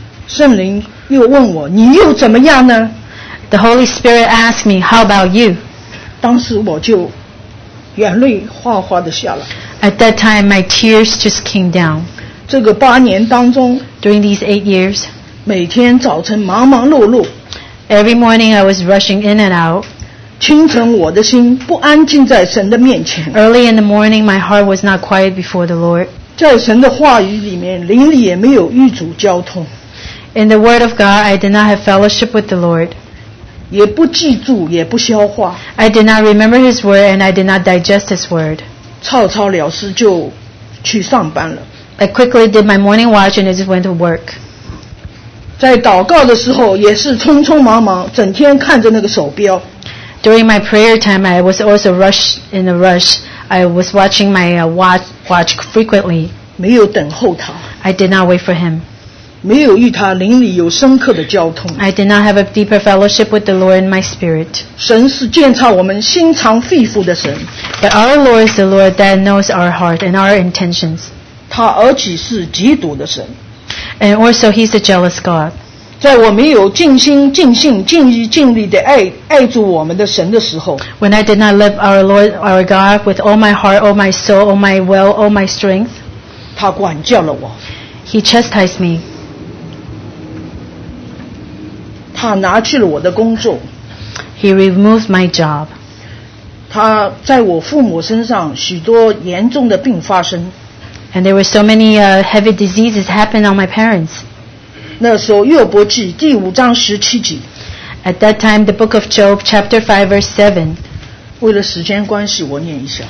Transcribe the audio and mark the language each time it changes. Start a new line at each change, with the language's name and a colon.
Chinese: 圣灵又问我，你又怎么样呢？
English: The Holy Spirit asked me, how about you?
Chinese: 当时我就眼泪哗哗的下来。
English: At that time, my tears just came down.
Chinese: 这个八年当中，
English: during these 8 years,
Chinese: 每天早晨忙忙碌碌。
English: Every morning, I was rushing in and out.
Chinese: 清晨我的心不安静在神的面前。
English: Early in the morning, my heart was not quiet before the Lord.
Chinese: 在神的话语里面，灵里也没有与主交通。
English: In the word of God, I did not have fellowship with the Lord.
Chinese: 也不记住，也不消化。
English: I did not remember his word, and I did not digest his word.
Chinese: 草草了事就去上班了。
English: I quickly did my morning watch and just went to work.
Chinese: 在祷告的时候也是匆匆忙忙，整天看着那个手表。
English: During my prayer time, I was also in a rush. I was watching my watch frequently.
Chinese: 没有等候他。
English: I did not wait for him.
Chinese: 没有与他灵里有深刻的交通。
English: I did not have a deeper fellowship with the Lord in my spirit.
Chinese: 神是鉴察我们心肠肺腑的神。
English: But our Lord is the Lord that knows our heart and our intentions.
Chinese: 他而且是嫉妒的神。
English: And also he's a jealous God.
Chinese: 在我没有尽心尽性尽意尽力的爱住我们的神的时候，
English: When I did not love our Lord, our God, with all my heart, all my soul, all my will, all my strength,
Chinese: 他管教了我。
English: He chastised me.
Chinese: 他拿去了我的工作。
English: He removed my job.
Chinese: 他在我父母身上许多严重的病发生。
English: And there were so many heavy diseases happened on my parents.
Chinese: 那时候约伯记第五章十七节。
English: At that time, the book of Job, chapter 5, verse 7.
Chinese: 为了时间关系，我念一下。